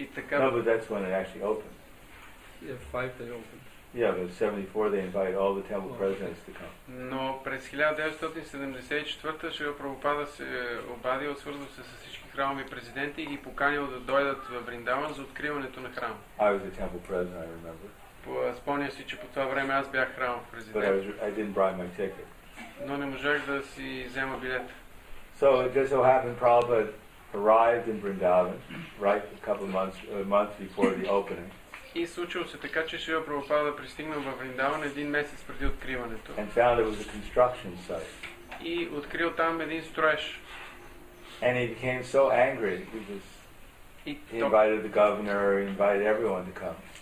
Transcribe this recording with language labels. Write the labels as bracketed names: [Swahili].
[English] No, but that's when it actually opened. Yeah, 5 they opened. Yeah, but in 74 they invite all the temple presidents to come. [Bulgarian] Но през 1974 Шрила Прабхупада се обадил, свързал се с всички храмови президенти и ги поканил да дойдат в Вриндаван за откриването на храма. [English] I was the temple president, I remember. [Bulgarian] Спомня си, че по това време аз бях храмов президент. [English] But I didn't buy my ticket. [Bulgarian] Но не можах да си взема билет. [English] So it just so happened Prabhupada arrived in Vrindavan right a couple of months before the opening. [Bulgarian] И случило се така, че Шрила Прабхупада пристигнал във Вриндаван един месец преди откриването. [English] And found it was a construction site. [Bulgarian] И открил там един строеж. [English] And he became so angry because he invited the governor, he invited everyone to come.